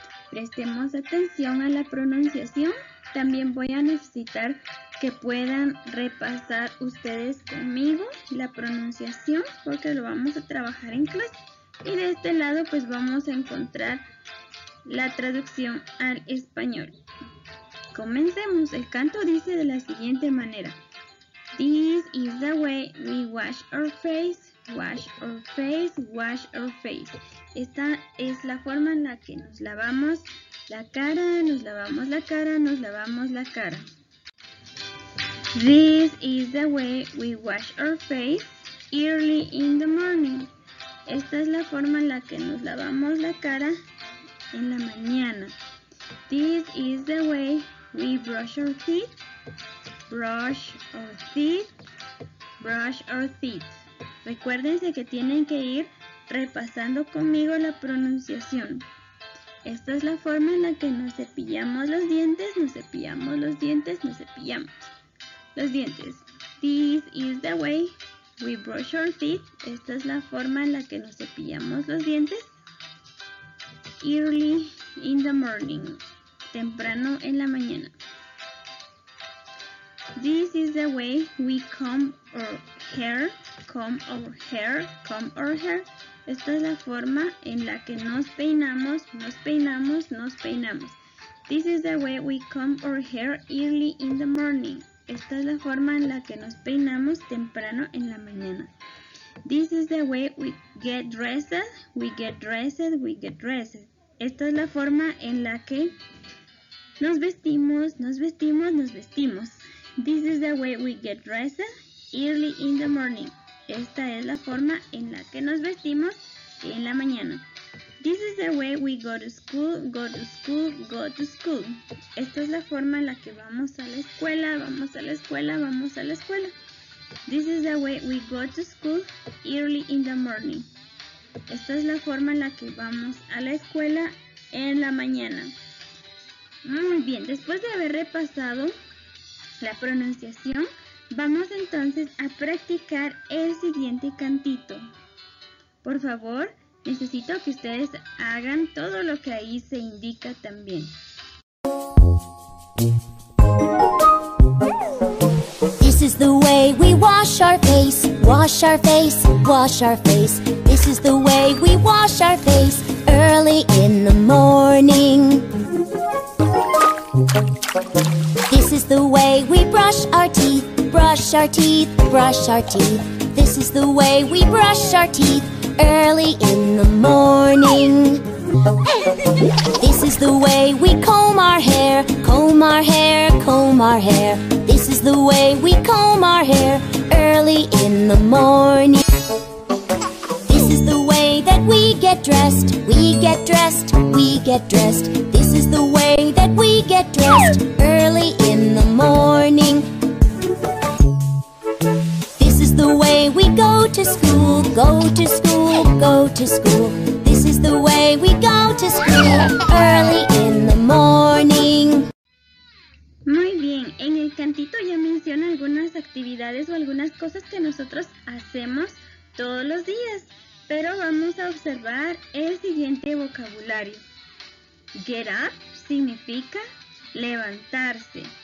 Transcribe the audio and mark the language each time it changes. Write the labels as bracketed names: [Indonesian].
[Spanish] Prestemos atención a la pronunciación. También voy a necesitar que puedan repasar ustedes conmigo la pronunciación porque lo vamos a trabajar en clase. Y de este lado pues vamos a encontrar la traducción al español. Comencemos. El canto dice de la siguiente manera. [English] This is the way we wash our face, wash our face, wash our face. [Spanish] Esta es la forma en la que nos lavamos la cara, nos lavamos la cara, nos lavamos la cara. [English] This is the way we wash our face early in the morning. [Spanish] Esta es la forma en la que nos lavamos la cara en la mañana. [English] This is the way we brush our teeth. Brush our teeth. Brush our teeth. [Spanish] Recuérdense que tienen que ir repasando conmigo la pronunciación. Esta es la forma en la que nos cepillamos los dientes, nos cepillamos los dientes, nos cepillamos. Los dientes. [English] This is the way we brush our teeth. [Spanish] Esta es la forma en la que nos cepillamos los dientes. [English] Early in the morning. [Spanish] Temprano en la mañana. [English] This is the way we comb our hair. Comb our hair. Comb our hair. [Spanish] Esta es la forma en la que nos peinamos, nos peinamos, nos peinamos. [English] This is the way we comb our hair early in the morning. [Spanish] Esta es la forma en la que nos peinamos temprano en la mañana. [English] This is the way we get dressed, we get dressed, we get dressed. [Spanish] Esta es la forma en la que nos vestimos, nos vestimos, nos vestimos. [English] This is the way we get dressed early in the morning. [Spanish] Esta es la forma en la que nos vestimos en la mañana. [English] This is the way we go to school, go to school, go to school. [Spanish] Esta es la forma en la que vamos a la escuela, vamos a la escuela, vamos a la escuela. [English] This is the way we go to school early in the morning. [Spanish] Esta es la forma en la que vamos a la escuela en la mañana. Muy bien, después de haber repasado la pronunciación, vamos entonces a practicar el siguiente cantito. Por favor, necesito que ustedes hagan todo lo que ahí se indica también. [English] This is the way we wash our face, wash our face, wash our face. This is the way we wash our face early in the morning. This is the way we brush our teeth, brush our teeth, brush our teeth. This is the way we brush our teeth early in the morning. This is the way we comb our hair, comb our hair, comb our hair. This is the way we comb our hair early in the morning. This is the way that we get dressed, we get dressed, we get dressed. This is the way that we get dressed early in the morning. This is the way we go to school, go to school, go to school. This is the way we go to school early in the morning. [Spanish] Muy bien, en el cantito ya menciona algunas actividades o algunas cosas que nosotros hacemos todos los días. Pero vamos a observar el siguiente vocabulario. Get up significa levantarse.